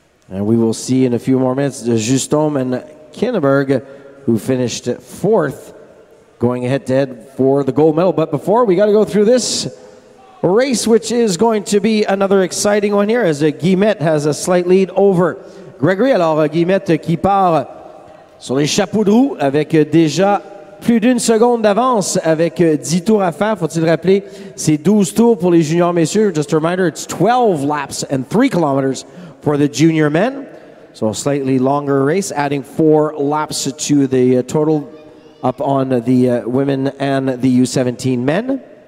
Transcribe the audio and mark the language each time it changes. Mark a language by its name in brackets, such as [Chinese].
[English] And we will see in a few more minutes Jussomme and Kinneberg, who finished fourth, going head to head for the gold medal. But before, we got to go through this race, which is going to be another exciting one here, as Guillemette has a slight lead over Gregory. [French] Alors, Guillemette qui part sur les chapeaux de roue avec déjà plus d'une seconde d'avance avec 10 tours à faire. Faut-il rappeler, c'est 12 tours pour les juniors, messieurs. [English] Just a reminder, it's 12 laps and 3 kilometers for the junior men. So a slightly longer race, adding 4 laps to the total up on the women and the U17 men.